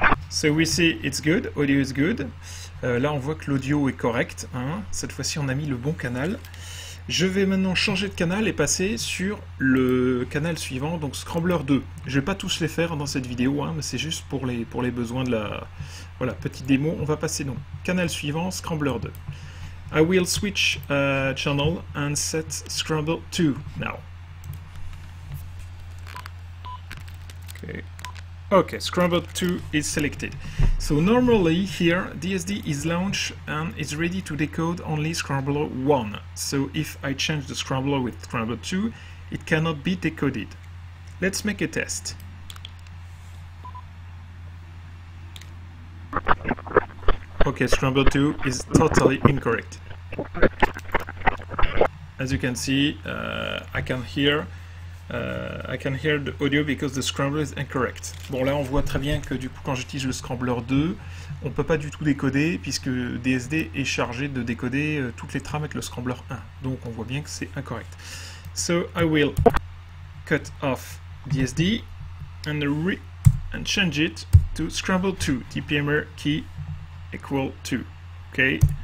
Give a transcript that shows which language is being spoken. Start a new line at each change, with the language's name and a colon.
English: So we see it's good, audio is good.
French: Là, on voit que l'audio est correct. Hein. Cette fois-ci, on a mis le bon canal. Je vais maintenant changer de canal et passer sur le canal suivant, donc scrambler 2. Je ne vais pas tous les faire dans cette vidéo, hein, mais c'est juste pour les besoins de la voilà, petite démo. On va passer donc canal suivant, scrambler 2.
English: I will switch channel and set scramble 2 now. Okay, scramble 2 is selected. So normally here, DSD is launched and is ready to decode only scrambler 1. So if I change the scrambler with scramble 2, it cannot be decoded. Let's make a test. Okay, scramble 2 is totally incorrect. As you can see, I can hear I can hear the audio because the scrambler is incorrect.
French: Bon, là, on voit très bien que du coup, quand j'utilise le scrambler 2, on ne peut pas du tout décoder puisque DSD est chargé de décoder toutes les trames avec le scrambler 1. Donc, on voit bien que c'est incorrect.
English: So, I will cut off DSD and change it to scramble 2, dPMR key equal 2. Okay.